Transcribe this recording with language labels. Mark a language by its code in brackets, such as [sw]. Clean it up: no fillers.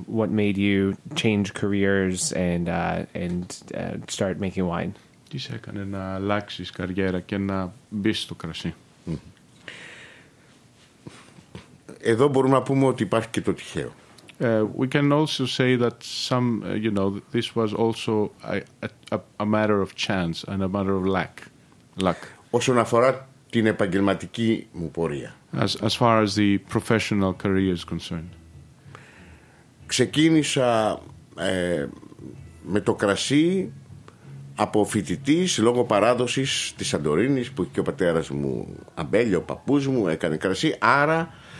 [en] What made you change careers and start making wine? [el] Τι σε έκανε να αλλάξεις καριέρα και να μπεις στο κρασί? Εδώ μπορούμε να πούμε ότι υπάρχει και το τυχαίο. [en] We can also say that some, you know, this was also a matter of chance and a matter of luck. [el] Όσον αφορά την επαγγελματική μου πορεία. [en] As far as the professional career is concerned. [el] Ξεκίνησα με το κρασί από φοιτητής λόγω παράδοσης της Σαντορίνης που είχε ο πατέρας μου αμπέλιο, ο παππούς μου έκανε κρασί, άρα